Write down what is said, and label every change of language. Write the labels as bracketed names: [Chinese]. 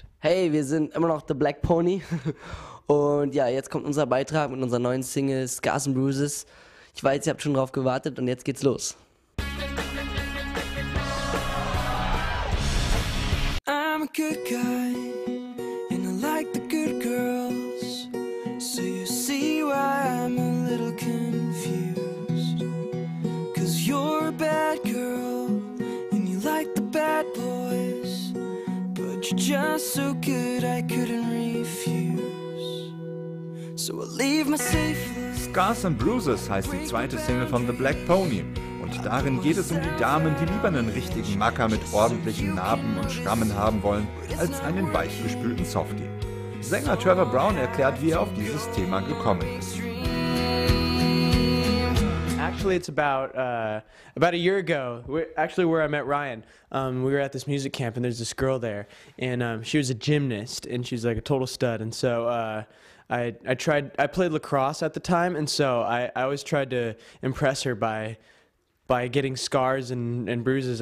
[German] Hey, wir sind immer noch The Black Pony. Und ja, jetzt kommt unser Beitrag mit unserer neuen Single Scars and Bruises. Ich weiß, ihr habt schon drauf gewartet und jetzt geht's los. [English] I'm a good guy and I like the good girls. So you see why I'm a little confused. 'Cause you're a bad girl and you like the bad boys. You're just so good, I couldn't refuse. So I'll leave my safe. [German] Scars and Bruises heißt die zweite Single von The Black Pony. Und darin geht es um die Damen, die lieber einen richtigen Macker mit ordentlichen Narben und Schrammen haben wollen, als einen weichgespülten Softie. Sänger Trevor Brown erklärt, wie er auf dieses Thema gekommen ist. [English] Actually, it's about a year ago. Where I met Ryan. We were at this music camp, and there's this girl there, and she was a gymnast, and she's like a total stud. And so I played lacrosse at the time, and so I always tried to impress her by getting scars and bruises.